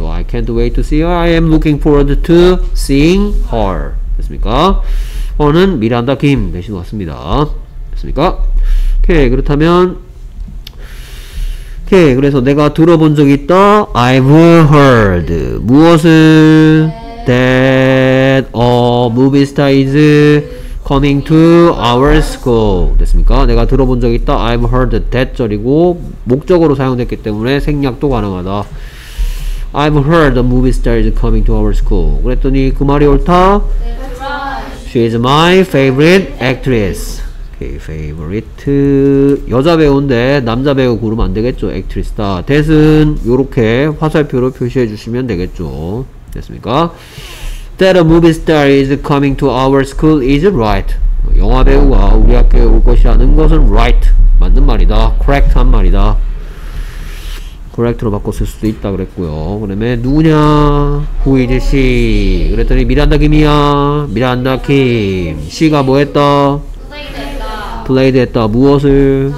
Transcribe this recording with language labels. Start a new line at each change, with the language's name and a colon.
English: I can't wait to see her. I am looking forward to seeing her.
Korean: 됐습니까? her는 미란다 김 대신 왔습니다. 됐습니까? 오케이, 그렇다면 오케이, 그래서 내가 들어본 적 있다?
English: I've heard.
Korean: 무엇을?
English: That a movie star is coming to our school.
Korean: 됐습니까? 내가 들어본 적 있다?
English: I've heard that
Korean: 절이고 목적으로 사용됐기 때문에 생략도 가능하다.
English: I've heard a movie star is coming to our school.
Korean: 그랬더니 그 말이 옳다?
English: She is my favorite actress.
Korean: favorite 여자 배우인데 남자 배우 고르면 안 되겠죠. actress 다 that은 요렇게 화살표로 표시해 주시면 되겠죠. 됐습니까?
English: that a movie star is coming to our school is right.
Korean: 영화 배우가 우리 학교에 올 것이라는 것은 right 맞는 말이다. correct 한 말이다. correct로 바꿨을 수도 있다 그랬고요. 그러면 누구냐?
English: who is she?
Korean: 그랬더니 미란다 김이야. 미란다 김 she가 뭐 했다? played 했다. 무엇을?